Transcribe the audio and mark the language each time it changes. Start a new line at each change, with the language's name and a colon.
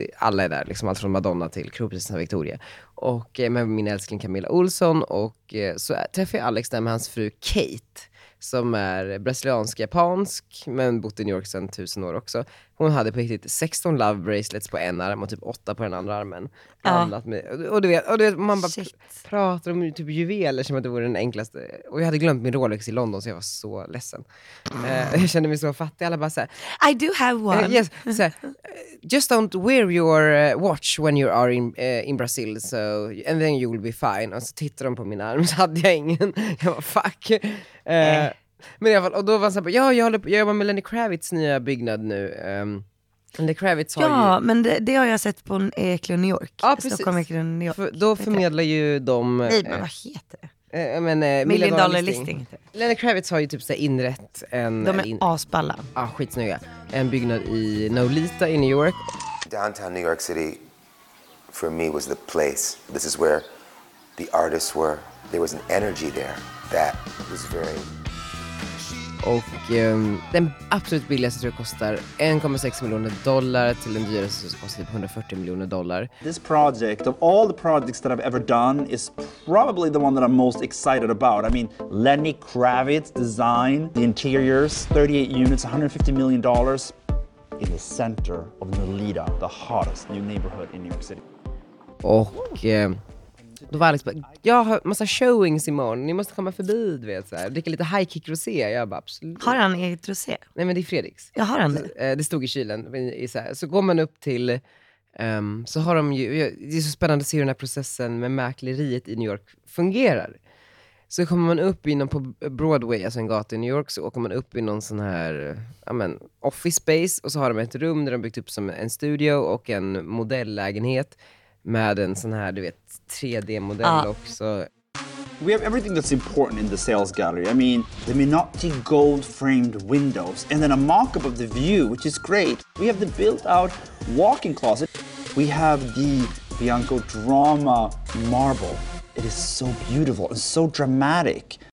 Swedish: Alla är där, liksom allt från Madonna till kronprinsessan Victoria. Och med min älskling Camilla Olsson, och så träffar jag Alex där med hans fru Kate, som är brasiliansk-japansk, men bott i New York sedan 1000 år också. Hon hade på riktigt 16 love bracelets på en arm och typ 8 på den andra armen. Ja. Med, och du vet, man bara pratar om typ juveler som att det vore den enklaste. Och jag hade glömt min Rolex i London, så jag var så ledsen. Jag kände mig så fattig. Alla bara så här,
English: I do have one. Yes,
Swedish: så här,
English: just don't wear your watch when you are in Brazil, so, and then you'll be fine.
Swedish: Och så tittade de på min arm, så hade jag ingen. Jag var fuck. Men i alla fall, och då var han såhär, ja, jag jobbar med Lenny Kravitz nya byggnad nu. Lenny Kravitz har ja, men det har jag sett på en Eklund New York. Ja, precis. Stockholm, Eklund, New York. Då förmedlar ju de... Nej, men vad heter det? Million Dollar Listing. Lenny Kravitz har ju typ såhär inrätt en... De är asballa. Ja, skitsnöja. En byggnad i Nolita i New York.
English: Downtown New York City for me was the place. This is where the artists were. There was an energy there that was very...
Swedish: Och den absolut billigaste tror jag kostar 1,6 miljoner dollar till den dyraste som kostar 140 miljoner dollar.
English: This project, of all the projects that I've ever done, is probably the one that I'm most excited about. I mean, Lenny Kravitz design, the interiors, 38 units, 150 million dollars, in the center of Nolita, the hottest new neighborhood in New York City.
Swedish: Och... Då var Alex bara, jag har massa showings imorgon, ni måste komma förbi, du vet, så här. Dricka lite high kick rosé, jag bara, absolut. Har han eget rosé? Nej, men det är Fredriks. Jag har han det. Det stod i kylen, så går man upp till, så har de ju, det är så spännande att se hur den här processen med mäkleriet i New York fungerar. Så kommer man upp inom på Broadway, alltså en gata i New York, så åker man upp i någon sån här, ja men,
English: office space,
Swedish: och så har de ett rum där de byggt upp som en studio och en modelllägenhet med en sån här, du vet, 3D-modell också.
English: We have everything that's important in the sales gallery. I mean, the Minotti gold-framed windows and then a mock-up of the view, which is great. We have the built-out walk-in closet. We have the Bianco drama marble. It is so beautiful and so dramatic.